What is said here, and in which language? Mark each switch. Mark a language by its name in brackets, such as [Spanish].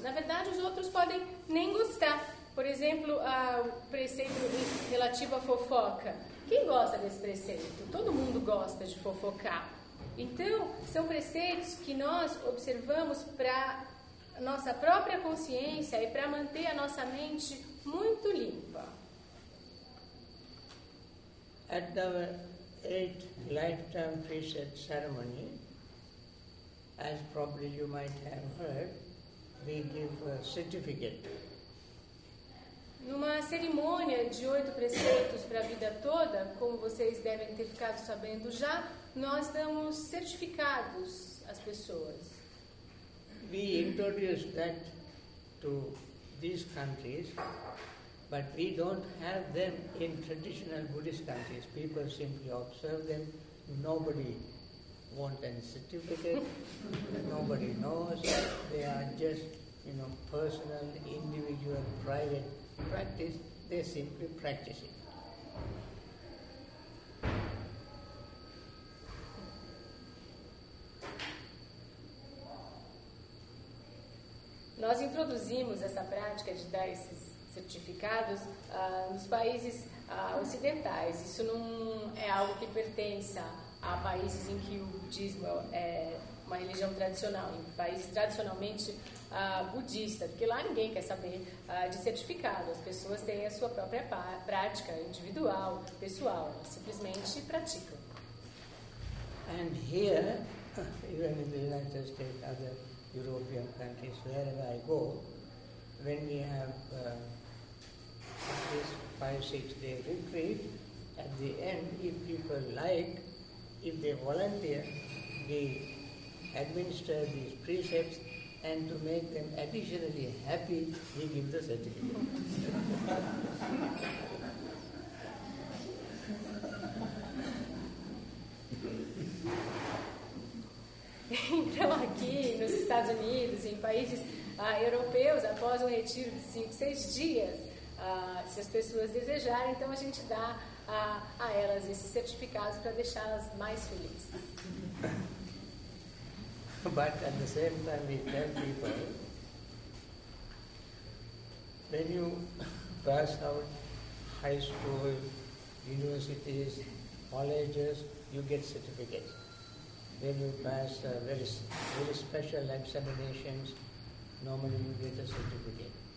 [Portuguese] Na verdade, os outros podem nem gostar. Por exemplo, o preceito relativo à fofoca. Quem gosta desse preceito? Todo mundo gosta de fofocar. Então, são preceitos que nós observamos para nossa própria consciência e para manter a nossa mente muito limpa. [English] At the 8th lifetime precept ceremony, as probably you might have heard, we give a certificate. [Portuguese] Numa cerimônia de oito preceitos para a vida toda, como vocês devem ter ficado sabendo já, nós damos certificados às pessoas. [English] We introduce that to these countries, but we don't have them in traditional Buddhist countries. People simply observe them. Nobody wants any certificate. Nobody knows. They are just, you know, personal, individual, private practice. They simply practice it. [Portuguese] Nós introduzimos essa prática de dar esses certificados nos países ocidentais. Isso não é algo que pertence a países em que o budismo é uma religião tradicional, em países tradicionalmente budistas, porque lá ninguém quer saber de certificado. As pessoas têm a sua própria prática individual, pessoal, simplesmente praticam. [English] And here, even in the United States, other European countries, wherever I go, when we have this 5-6 day retreat, at the end, if people like, if they volunteer, we administer these precepts, and to make them additionally happy, we give the certificate. [Portuguese] Então aqui nos Estados Unidos, em países europeus, após um retiro de 5-6 dias, se as pessoas desejarem, então a gente dá a elas esses certificados para deixá-las mais felizes. [English] But at the same time we tell people, when you pass out high school, universities, colleges, you get certificates. When you pass very, very special examinations, normally you get a certificate.